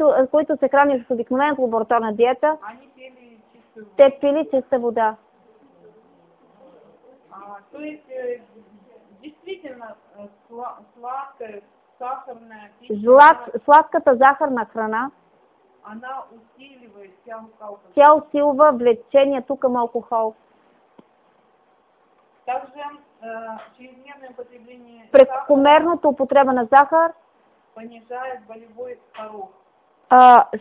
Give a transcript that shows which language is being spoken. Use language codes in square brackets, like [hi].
[bg] които се хранят с обикновената лабораторна диета, [ru] они пили [bg] вода. Те пили чиста вода. [ru] То есть, действительно, сладкая, сахарная пища, [bg] сладката захарна храна, [ru] она усиливает тялото. [bg] Тя усилва влечението към алкохол. [ru] Также чрезмерное употребление сахара, [bg] прекомерната употреба на захар [ru] понижает болевой порог.